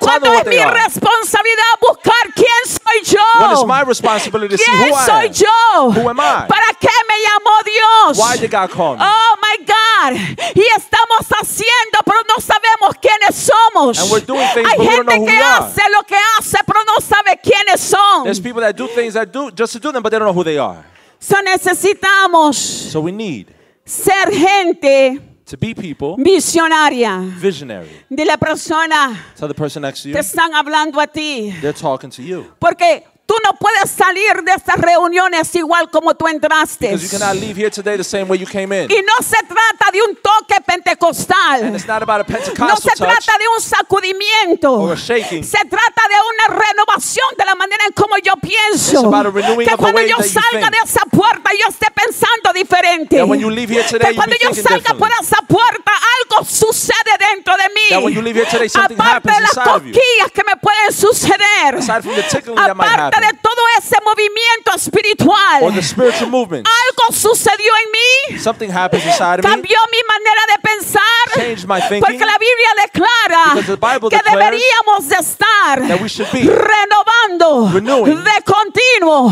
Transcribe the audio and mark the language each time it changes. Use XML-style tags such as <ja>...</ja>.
<es>Cuando es mi responsabilidad buscar quién soy yo. ¿Quién soy yo? ¿Para qué me llamó Dios?</es> <en>Oh my God.</en> <es>Y estamos haciendo, pero no sabemos quiénes somos. Hay gente que hace lo que hace, pero no sabe quiénes son.</es> <en>There's people that do things that do just to do them, but they don't know who they are.</en> <es>So necesitamos.</es> <en>So we need.</en> <es>Ser gente.</es> <en>To be people.</en> <es>Visionaria.</es> <en>Visionary.</en> <es>De la persona.</es> <en>To the person next to you.</en> <es>Te están hablando a ti.</es> <en>They're talking to you.</en> <es>Porque tú no puedes salir de estas reuniones igual como tú entraste.</es> <en>Because you cannot leave here today the same way you came in.</en> <es>Y no se trata de un toque pentecostal.</es> <en>And it's not about a Pentecostal</en> <es>touch. No se trata</es> <en>touch</en> <es>de un sacudimiento.</es> <en>Or a shaking.</en> <es>Se trata de una renovación de la manera en cómo yo pienso.</es> <en>It's about a renewing of the way that you think.</en> <es>Que cuando yo salga de esa puerta yo esté pensando diferente.</es> <en>That when you leave here today you be thinking differently.</en> <es>Que cuando yo salga por esa puerta algo sucede dentro de mí.</es> <en>That when you leave here today something happens inside of you.</en> <es>Aparte de las cosquillas que me pueden suceder.</es> <en>Aside from the tickling that might happen.</en> <es>De todo ese movimiento espiritual.</es> <en>Or the spiritual movement.</en> <es>Algo sucedió en mí.</es> <en>Something happened inside of me.</en> <es>Cambió mi manera de pensar.</es> <en>Changed my thinking.</en> <es>Porque la Biblia declara que deberíamos de estar renovando de continuo</es>